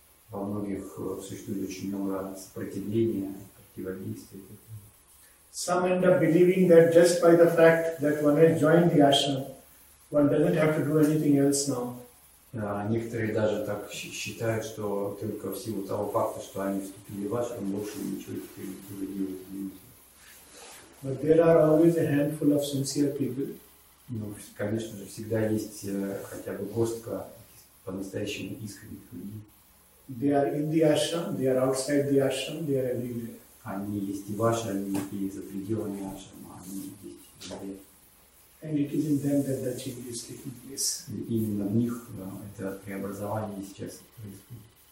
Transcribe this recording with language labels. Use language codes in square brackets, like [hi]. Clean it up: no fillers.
[ru] Во многих существует очень много сопротивления, противодействия. [en] Some end up believing that just by the fact that one has joined the ashram, one doesn't have to do anything else now. [ru] Некоторые даже так считают, что только в силу того факта, что они вступили в ашрам, больше ничего теперь не делают. [en] But there are always a handful of sincere people. [ru] Конечно же, всегда есть хотя бы горстка по-настоящему искренних людей. [en] They are in the ashram, they are outside the ashram, they are everywhere. [ru] Они есть и в ашраме, и за пределами ашрама, они есть везде. [en] And it is in them that the change is taking place. [ru] И именно в них это преобразование сейчас происходит.